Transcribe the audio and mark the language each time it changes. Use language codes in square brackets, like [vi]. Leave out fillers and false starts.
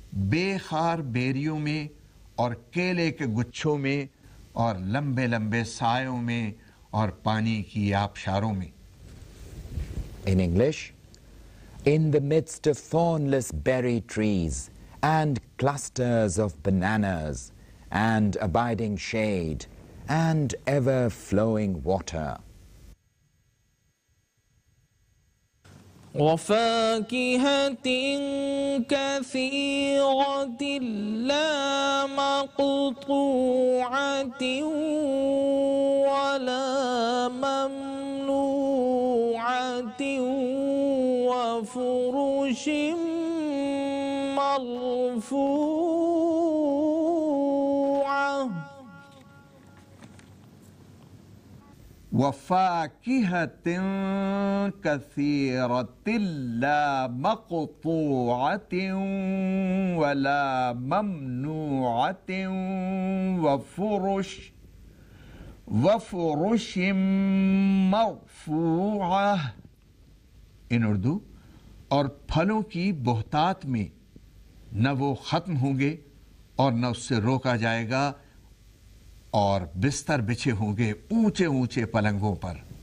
[ur] بخار بیریوں میں اور کیلے کے گچھوں میں اور لمبے لمبے سایوں میں اور پانی کی آبشاروں میں. [en] In English, in the midst of thornless berry trees and clusters of bananas and abiding shade and ever-flowing water. [ar] وفاكهة كثيرة لا مقطوعة ولا ممنوعة وفرش مرفوعة وفاكهة كثيرة لا مقطوعة ولا ممنوعة وفرش مرفوعة. [en] In Urdu, [ur] اور پھلوں کی بہتات میں نہ وہ ختم ہوں گے اور نہ اس سے روکا جائے گا اور بستر بچھے ہوں گے اونچے اونچے پلنگوں پر.